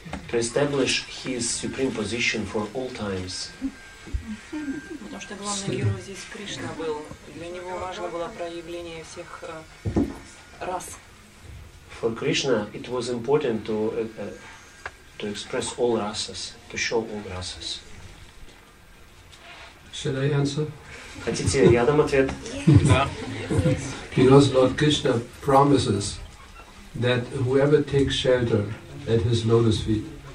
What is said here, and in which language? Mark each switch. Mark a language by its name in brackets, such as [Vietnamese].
[English] To establish his supreme position for all times. [Russian] Потому что главный герой здесь Кришна был. Для него важно было проявление всех рас. [English] For Krishna, it was important to express all rasas, to show all rasas. Should I answer? [Russian] Хотите, я дам ответ. Да. [English] Because Lord Krishna promises that whoever takes shelter at his lotus feet.